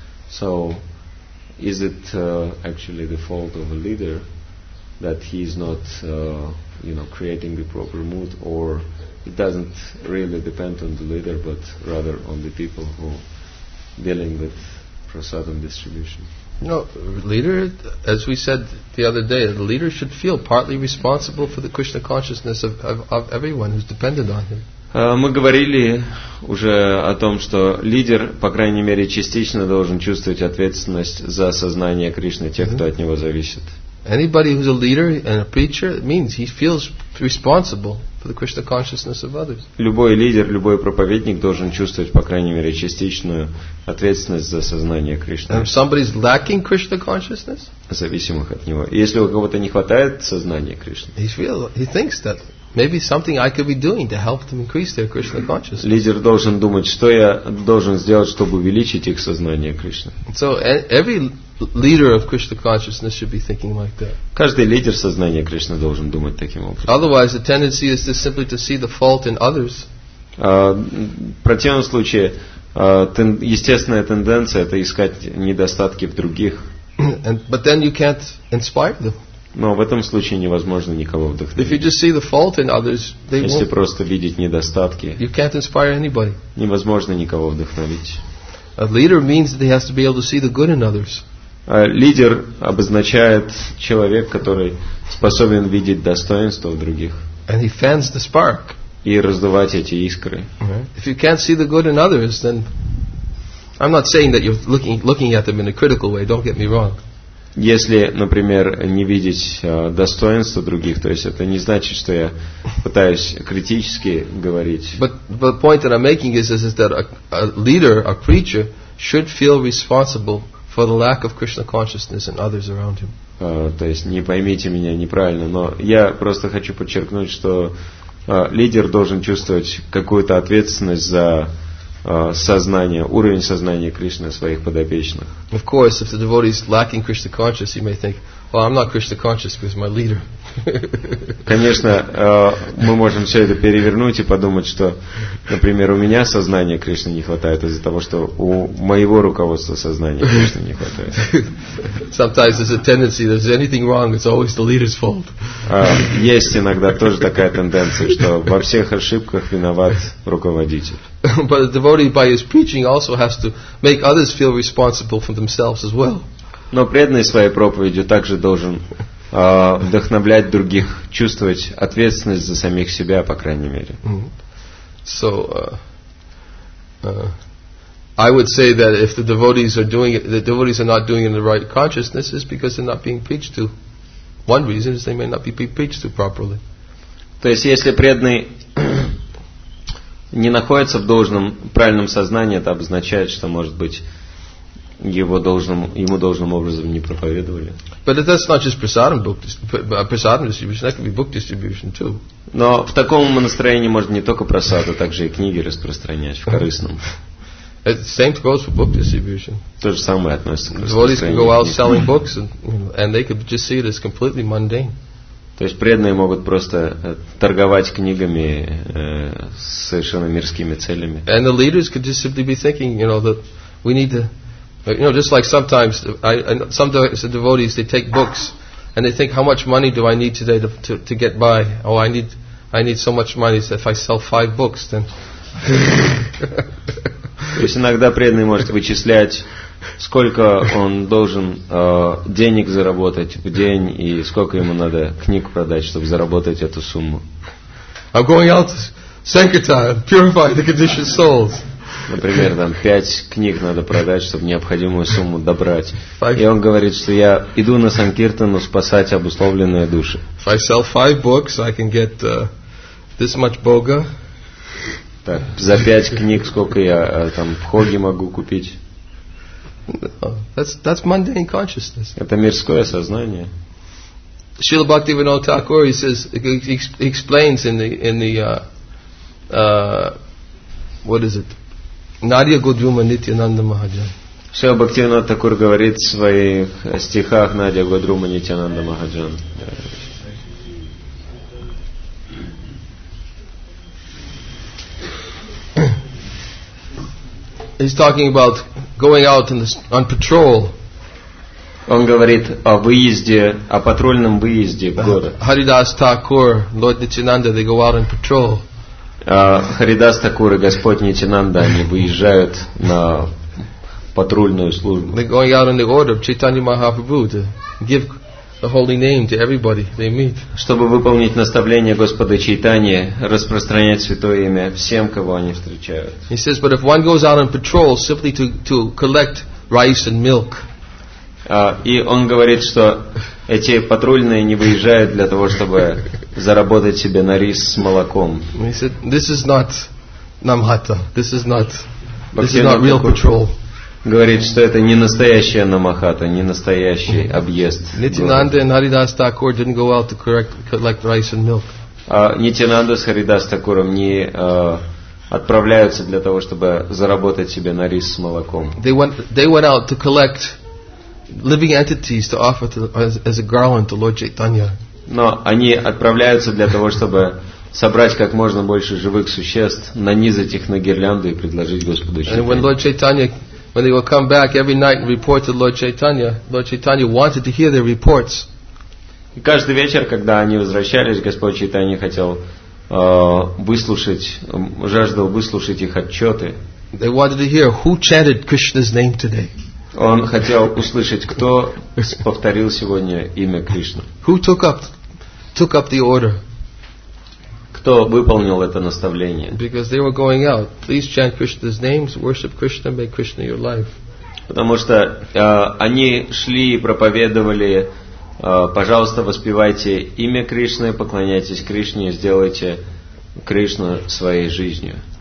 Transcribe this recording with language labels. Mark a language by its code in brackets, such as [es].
[en] So is it actually the fault of a leader that he is not creating the proper mood, or it doesn't really depend on the leader but rather on the people who are dealing with prasadam distribution? No, leader, as we said the other day, the leader should feel partly responsible for the Krishna consciousness of everyone who's dependent on him. [ru] Мы говорили уже о том, что лидер, по крайней мере, частично должен чувствовать ответственность за сознание Кришны тех, кто от него зависит. [en] Anybody who's a leader and a preacher means he feels responsible for the Krishna consciousness of others. [ru] Любой лидер, любой проповедник должен чувствовать, по крайней мере, частичную ответственность за сознание Кришны. [en] And if somebody's lacking Krishna consciousness, [ru] зависимых от него. Если у кого-то не хватает сознания Кришны, [en] he thinks that maybe something I could be doing to help them increase their Krishna consciousness. [ru] Лидер должен думать, что я должен сделать, чтобы увеличить их сознание Кришны. [en] So every leader of Krishna consciousness should be thinking like that. [ru] Каждый лидер сознания Кришны должен думать таким образом. [en] Otherwise, the tendency is to simply to see the fault in others. [ru] В противном случае, естественная тенденция это искать недостатки в других. [en] But then you can't inspire them. [ru] Но в этом случае невозможно никого вдохновить. [en] If you just see the fault in others, they won't. [ru] Если просто видеть недостатки, [en] you can't inspire anybody. [ru] Невозможно никого вдохновить. [en] A leader means that he has to be able to see the good in others. [ru] Лидер обозначает человек, который способен видеть достоинство в других. [en] And he fans the spark. [ru] И раздувать эти искры. [en] If you can't see the good in others, then I'm not saying that you're looking at them in a critical way. Don't get me wrong. [ru] Если, например, не видеть достоинства других, то есть это не значит, что я пытаюсь критически говорить. [en] But the point that I'm making is that a leader, a preacher, should feel responsible for the lack of Krishna consciousness in others around him. [ru] То есть не поймите меня неправильно, но я просто хочу подчеркнуть, что лидер должен чувствовать какую-то ответственность за сознание, уровень сознания Кришны своих подопечных. [en] Of course, if the devotee is lacking Krishna consciousness, he may think, "Well, I'm not Krishna conscious because my leader." [ru] Конечно, мы можем все это перевернуть и подумать, что, например, у меня сознания Кришны не хватает из-за того, что у моего руководства сознания Кришны не хватает. [en] Sometimes there's a tendency that if there's anything wrong, it's always the leader's fault. [ru] Есть иногда тоже такая тенденция, что во всех ошибках виноват руководитель. [en] But the devotee, by his preaching, also has to make others feel responsible for themselves as well. [ru] Но преданный своей проповедью также должен вдохновлять других, чувствовать ответственность за самих себя, по крайней мере. [en] So, I would say that if the devotees are doing it, the devotees are not doing it in the right consciousness, it's because they're not being preached to. One reason is they may not be preached to properly. [ru] То есть, если преданный не находится в должном правильном сознании, это обозначает, что, может быть, его должным, ему должным образом не проповедовали. [en] But that's not just prasadam book, prasadam distribution. That could be book distribution too. [ru] Но в таком настроении можно не только просаду, также и книги распространять в корыстном. [en] Same goes for book distribution. [ru] То же самое относится к распространению. [en] Devotees can go out selling books, and they could just see it as completely mundane. [ru] То есть преданные могут просто торговать книгами с совершенно мирскими целями. [en] And the leaders could just simply be thinking, you know, that we need to, you know, just like sometimes, sometimes the devotees, they take books and they think, how much money do I need today to get by? Oh, I need so much money, so if I sell 5 books, then. [ru] То есть иногда преданный может вычислять, сколько он должен денег заработать в день и сколько ему надо книг продать, чтобы заработать эту сумму. [en] I'm going out to sanctify, purify the conditioned souls. [ru] Например, там 5 книг надо продать, чтобы необходимую сумму добрать. И он говорит, что я иду на санкиртану спасать обусловленные души. [en] If I sell 5 books, I can get this much boga. [ru] Так, за 5 книг сколько я там в хоге могу купить? [en] No, that's mundane consciousness. [ru] Это мирское сознание. [en] Srila Bhaktivinoda Thakur, he says, he explains what is it? [bn] Nadia Godruma Nityananda Mahajan. [ru] Srila Bhaktivinoda Thakur говорит в своих стихах [bn] Nadia Godruma Nityananda Mahajan. [en] He's talking about going out on patrol. [ru] Он говорит о выезде, о патрульном выезде в город. [en] Haridas Thakur, Lord Nityananda, they go out on patrol. [ru] Haridas Thakur и Господь Нитянанда, они выезжают на патрульную службу. [en] They're going out in the order of Chaitanya Mahaprabhu to give the holy name to everybody they meet. [ru] Чтобы выполнить наставление Господа Чайтани, распространять святое имя всем, кого они встречают. [en] He says, but if one goes out on patrol simply to collect rice and milk. [ru] И он говорит, что эти патрульные не выезжают для того, чтобы заработать себе на рис с молоком. [en] He said, this is not Namhata. This is not real patrol. [ru] Говорит, что это не настоящая намахата, не настоящий объезд. [en] Nityananda and Haridas Thakur didn't go out to collect rice and milk. [ru] Nityananda с Haridas Thakuram не отправляются для того, чтобы заработать себе на рис с молоком. [en] They went out to collect living entities to offer as a garland to Lord Chaitanya. [ru] Но они отправляются для того, чтобы собрать как можно больше живых существ, нанизать их на гирлянду и предложить Господу Чайтанья. [en] When they will come back every night and report to Lord Chaitanya, Lord Chaitanya wanted to hear their reports. [ru] И каждый вечер, когда они возвращались, Господь Чайтанья хотел выслушать, жаждал выслушать их отчеты. [en] They wanted to hear who chanted Krishna's name today. [ru] Он хотел услышать, кто повторил сегодня имя Кришны. [en] Who took up the order? [ru] Кто выполнил это наставление? [en] Because they were going out. Please chant Krishna's names, worship Krishna, make Krishna your life. [ru] Потому что они шли и проповедовали, пожалуйста, воспевайте имя Кришны, поклоняйтесь Кришне, сделайте Кришну своей жизнью.